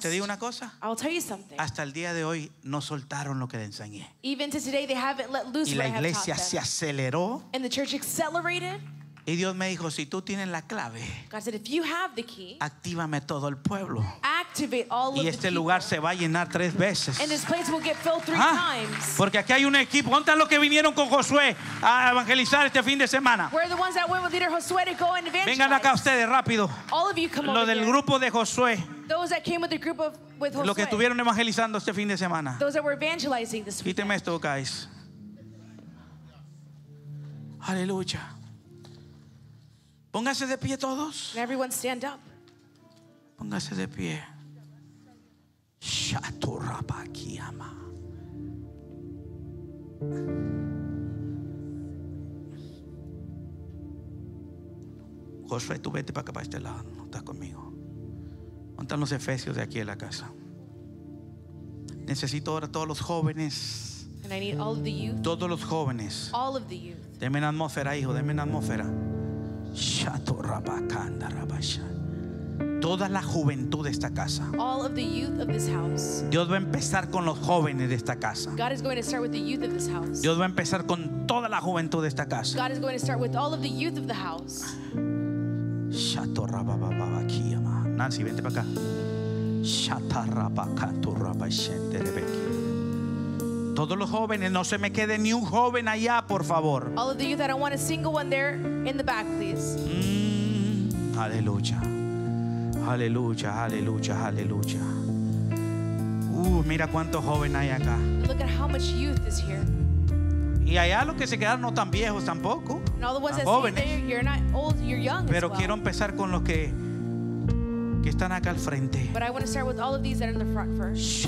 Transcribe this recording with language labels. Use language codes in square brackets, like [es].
[es] Te digo una cosa. [en] I'll tell you something. [es] Hasta el día de hoy no soltaron lo que le enseñé. [en] Even to today they haven't let loose. [es] Y la iglesia se aceleró. [en] And the church accelerated. [es] Y Dios me dijo, si tú tienes la clave, [en] God said, if you have the key, [es] actívame todo el pueblo. [en] Activate all of [es] y este lugar [en] people. [es] Se va a llenar tres veces. [en] And this place will get filled three times. [es] Porque aquí hay un equipo. ¿Cuántos los que vinieron con Josué a evangelizar este fin de semana? [en] Where are the ones that went with leader Josué to go and evangelize? [es] Vengan acá ustedes rápido. [en] All of you come [es] lo del [en] here. [es] Grupo de Josué. [en] Those that came with the group of with Josué. [es] Lo que estuvieron evangelizando este fin de semana. [en] Those that were evangelizing this weekend. [es] Quíteme esto, guys. Aleluya. Póngase de pie todos. [en] And everyone stand up. [es] Póngase de pie. Shaturapa kiyama. Josué, tú vete para acá, para este lado, no estás conmigo. ¿Dónde están los efesios de aquí de la casa? Necesito ahora todos los jóvenes. [en] And I need all of the youth. [es] Todos los jóvenes. [en] All of the youth. [es] Deme una atmósfera, hijo, deme una atmósfera. Shato rabakanda rabasha. Toda la juventud de esta casa. [en] All of the youth of this house. [es] Dios va a empezar con los jóvenes de esta casa. [en] God is going to start with the youth of this house. [es] Dios va a empezar con toda la juventud de esta casa. [en] God is going to start with all of the youth of the house. Shato rabababakiyama. Nancy, vente para acá. Shata rabakatu rabashente rebeki. [es] Todos los jóvenes, no se me quede ni un joven allá, por favor. [en] All of the youth, I don't want a single one there in the back, please. [es] Aleluya. Aleluya, aleluya, aleluya. Mira cuánto joven hay acá. [en] Look at how much youth is here. [es] Y allá los que se quedaron no tan viejos tampoco. [en] And all the ones that jóvenes. See there, you're not old, you're young. [es] Pero [en] as well. [es] Quiero empezar con los que están acá al frente. [en] But I want to start with all of these that are in the front first.